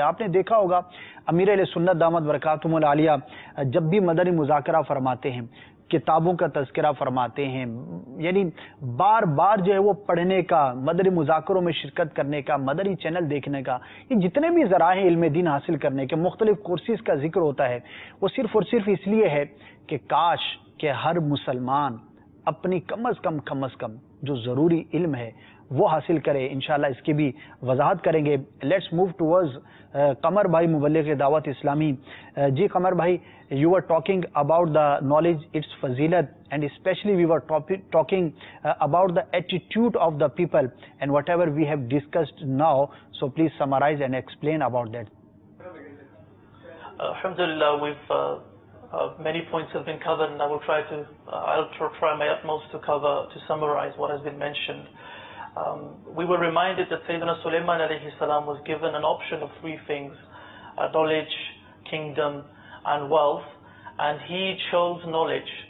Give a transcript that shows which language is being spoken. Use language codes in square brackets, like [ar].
[ur] آپ نے دیکھا ہوگا امیر اہل سنت دامت برکاتہم العالیہ جب بھی مدنی مذاکرہ فرماتے ہیں، کتابوں کا تذکرہ فرماتے ہیں، یعنی بار بار جو ہے وہ پڑھنے کا، مدنی مذاکروں میں شرکت کرنے کا، مدنی چینل دیکھنے کا، یہ جتنے بھی ذرائع ہیں علم دین حاصل کرنے کے، مختلف کورسز کا ذکر ہوتا ہے، وہ صرف اور صرف اس لیے ہے کہ کاش کہ ہر مسلمان اپنی کم از کم جو ضروری علم ہے وہ حاصل کرے. انشاءاللہ اس کی بھی وضاحت کریں گے. [en] let's move towards [ur] قمر بھائی، مبلغ دعوت اسلامی. [en] جی قمر بھائی، you are talking about the knowledge, its فضیلت، and especially we are talking about the attitude of the people and whatever we have discussed now, so please summarize and explain about that. الحمدللہ many points have been covered, and I'll try my utmost to cover, to summarize what has been mentioned. We were reminded that Sayyidina Sulaiman alayhi salam was given an option of three things: knowledge, kingdom, and wealth, and he chose knowledge.